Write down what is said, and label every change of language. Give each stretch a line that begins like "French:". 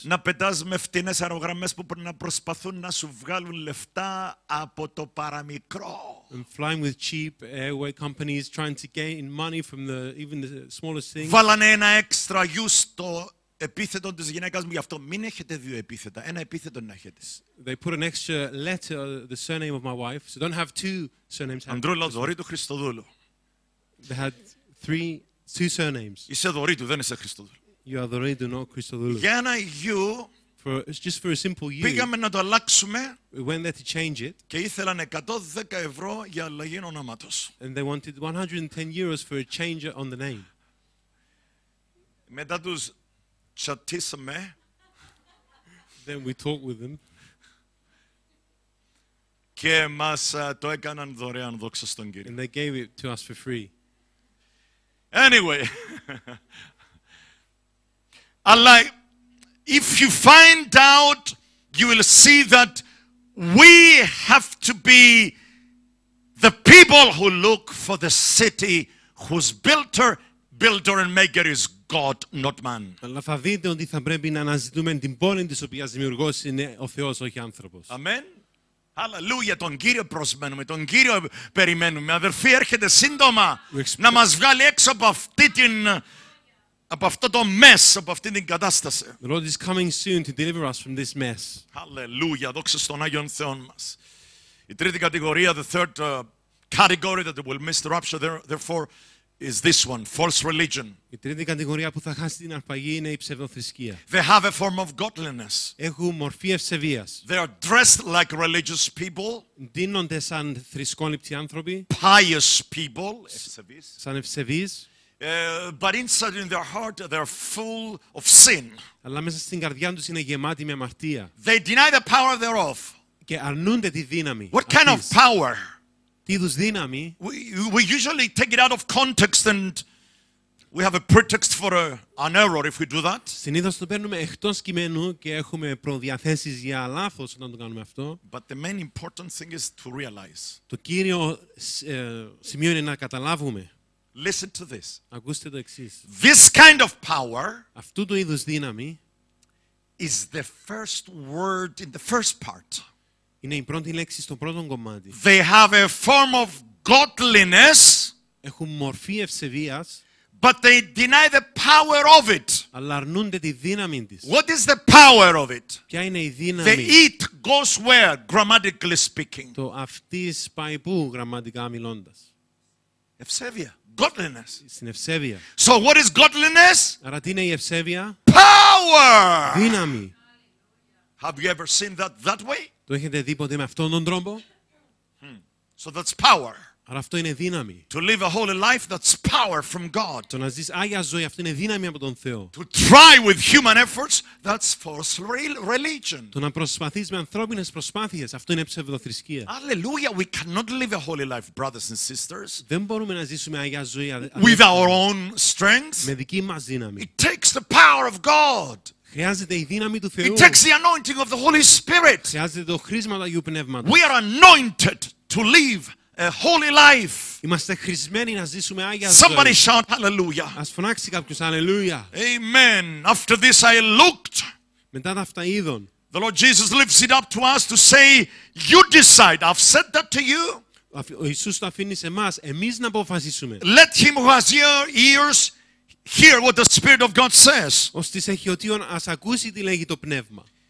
Greek: Να πετάς με φτηνές αερογραμμές που πρέπει να προσπαθούν να σου βγάλουν λεφτά από το παραμικρό.
English: And flying with cheap airway companies trying to gain money from the even the smallest things.
Greek: Βάλανε ένα έξτρα γιου στο επίθετο της γυναίκας μου, γι' αυτό μην έχετε δύο επίθετα, ένα επίθετο να έχετε.
English: They put an extra letter, the surname of my wife, so don't have two surnames.
Greek: Αντρούλα Δωρήτου Χριστοδούλου.
English: They had two surnames.
Greek: Είσαι Δωρήτου, δεν είσαι Χριστοδούλου.
English: You are the Redu, not Christodoulou.
Greek: Για ένα γιου,
English: just for a simple
Greek: you, πήγαμε να το αλλάξουμε.
English: We went there to change it.
Greek: Και ήθελαν 110 ευρώ για αλλαγή ονόματος.
English: And they wanted 110 euros for a change on the name.
Greek: Μετά τους τσατίσαμε.
English: Then we talked with them.
Greek: Και μας το έκαναν δωρεάν, δόξα στον Κύριο.
English: And they gave it to us for free. Anyway.
Greek: Αλλά,
English: if you find out, you will see that we have to be the people who look for the city whose builder and maker is God, not man.
Greek: Αλλά θα δείτε ότι θα πρέπει να αναζητούμε την πόλη της οποίας δημιουργός είναι ο Θεός, όχι άνθρωπος. Αμέν. Hallelujah, τον Κύριο προσμένουμε, τον Κύριο περιμένουμε. Αδερφοί, έρχεται σύντομα να μας βγάλει έξω από αυτή την... από αυτό το mess, από αυτή την κατάσταση.
English: The Lord is coming soon to deliver us from this mess.
Greek: Hallelujah, δόξα στον Άγιον Θεόν μας. Η τρίτη κατηγορία,
English: the third category that will miss the rapture, therefore, is this one, false religion.
Greek: Η τρίτη κατηγορία που θα χάσει την αρπαγή είναι η ψευδοθρησκεία.
English: They have a form of godliness.
Greek: Έχουν μορφή ευσεβίας.
English: They are dressed like religious people.
Greek: Ντύνονται σαν θρησκόληπτοι άνθρωποι.
English: Pious people.
Greek: Ευσεβείς. Σαν ευσεβείς.
English: But inside in their heart they're full of sin.
Greek: Αλλά μέσα στην καρδιά τους είναι γεμάτη με αμαρτία.
English: They deny the power thereof.
Greek: Και αρνούνται τη δύναμη.
English: What kind of power?
Greek: Τι είδους δύναμη?
English: We usually take it out of context and we have a pretext for an error if we do that.
Greek: Συνήθως το παίρνουμε εκτός κειμένου και έχουμε προδιαθέσεις για λάθος όταν το κάνουμε αυτό.
English: But the main important thing is to realize.
Greek: Το κύριο σημείο είναι να καταλάβουμε.
English: Listen to this.
Greek: Ακούστε το εξής.
English: This kind of power,
Greek: αυτού του είδους δύναμη,
English: is the first word in the first part.
Greek: Είναι η πρώτη λέξη στο πρώτο κομμάτι.
English: They have a form of godliness.
Greek: Έχουν μορφή ευσεβίας.
English: But they deny the power of it.
Greek: Αλλά αρνούνται τη δύναμη της.
English: What is the power of it?
Greek: Ποια είναι η δύναμη?
English: The it goes where, grammatically speaking.
Greek: Το αυτής πάει πού, γραμματικά μιλώντας. Ευσέβεια.
English: Godliness.
Greek: Στην ευσέβεια.
English: So what is godliness?
Greek: Άρα τι είναι η ευσέβεια?
English: Power.
Greek: Δύναμη.
English: Have you ever seen that way?
Greek: Το έχετε δει ποτέ με αυτόν τον τρόπο?
English: So that's power.
Greek: Άρα αυτό είναι δύναμη.
English: To live a holy life, that's power from God.
Greek: Το να ζεις άγια ζωή, αυτό είναι δύναμη από τον Θεό.
English: To try with human efforts, that's false religion.
Greek: Το να προσπαθείς με ανθρώπινες προσπάθειες, αυτό είναι ψευδοθρησκεία.
English: Hallelujah, we cannot live a holy life, brothers and sisters.
Greek: Δεν μπορούμε να ζήσουμε άγια ζωή.
English: With our own strength.
Greek: Με δική μας δύναμη.
English: It takes the power of God.
Greek: Χρειάζεται η δύναμη του Θεού.
English: It takes the anointing of the Holy Spirit.
Greek: Χρειάζεται το χρήσμα του Αγίου Πνεύματος.
English: We are anointed to live a holy life.
Greek: Είμαστε χρησμένοι να ζήσουμε άγια ζωή.
English: Somebody shout hallelujah.
Greek: Ας φωνάξει κάποιος hallelujah.
English: Amen. After this I looked.
Greek: Μετά αυτά είδων.
English: The Lord Jesus lifts it up to us to say, "You decide. I've said that to you."
Greek: Ο Ιησούς το αφήνει σε εμάς, εμείς να αποφασίσουμε.
English: Let him who has ears hear what the Spirit of God says.
Greek: Ώστις έχει οτίον, ας ακούσει τι λέγει το Πνεύμα.